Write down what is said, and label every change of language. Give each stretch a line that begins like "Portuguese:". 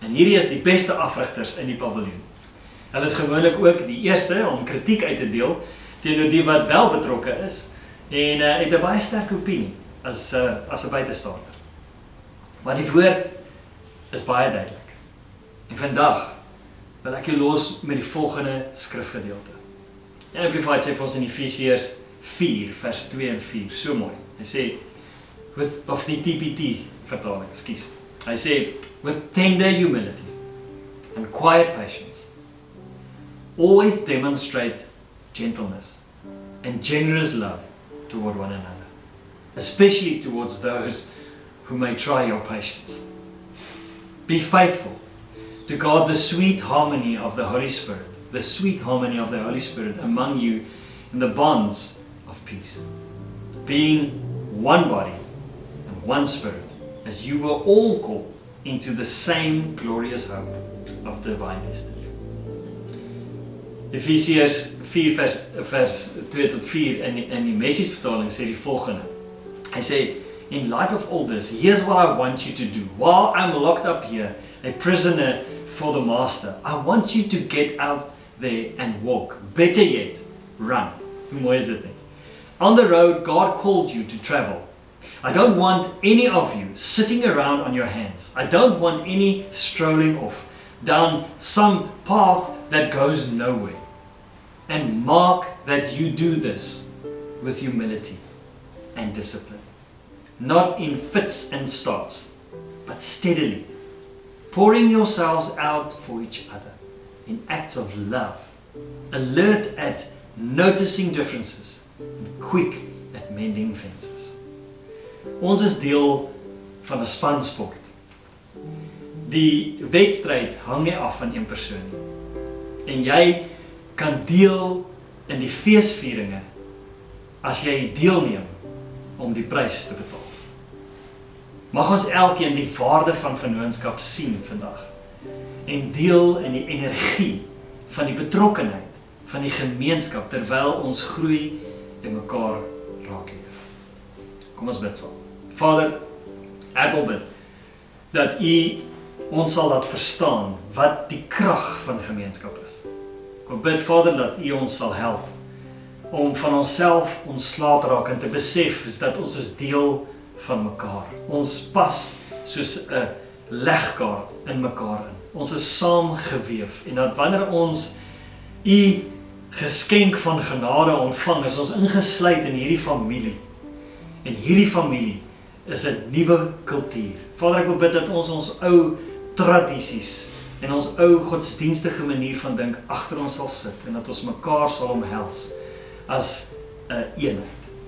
Afrikaans: En hierdie is die beste afrigters in die paviljoen. Hulle is gewoonlik ook die eerste om kritiek uit te deel teenoor die wat wel betrokke is. En het 'n baie sterk opinie as 'n buitestander. Want die woord is baie duidelik. En vandag wil ek jou los met die volgende skrifgedeelte. En Amplified sê vir ons in Efesiërs 4 vers 2 en 4, so mooi. Hy sê,
English: with tender humility and quiet patience, always demonstrate gentleness and generous love toward one another, especially towards those who may try your patience. Be faithful to God, the sweet harmony of the Holy Spirit among you in the bonds of peace, being one body and one spirit, as you were all called into the same glorious hope of divine destiny.
Afrikaans: Efesiërs 4 vers 2 tot 4 in die Message vertaling sê die volgende. Hy sê,
English: In light of all this, here's what I want you to do. While I'm locked up here, a prisoner for the master, I want you to get out there and walk. Better yet, run.
Afrikaans: Mooi is dit nie?
English: On the road, God called you to travel. I don't want any of you sitting around on your hands. I don't want any strolling off down some path that goes nowhere. And mark that you do this with humility and discipline. Not in fits and starts, but steadily, pouring yourselves out for each other in acts of love, alert at noticing differences, and quick at mending fences.
Afrikaans: Ons is deel van 'n span sport. Die wedstryd hang nie af van een persoon nie. En jy kan deel in die feesvieringe as jy deelneem om die prys te betaal. Mag ons elkeen die waarde van vennootskap sien vandag en deel in die energie van die betrokkenheid van die gemeenskap terwyl ons groei en mekaar raak leef. Kom ons bid saam. Vader, ek wil bid dat U ons sal laat verstaan wat die krag van gemeenskap is. Ek bid Vader dat U ons sal help om van onsself ontslae te raak en te besef is dat ons is deel van mekaar. Ons pas soos 'n legkaart in mekaar in. Ons is saamgeweef en dat wanneer ons U geskenk van genade ontvang, is ons ingesluit in hierdie familie. En hierdie familie is 'n nuwe kultuur. Vader, ek wil bid dat ons ons ou tradisies en ons ou godsdienstige manier van dink agter ons sal sit en dat ons mekaar sal omhels as 'n eenheid.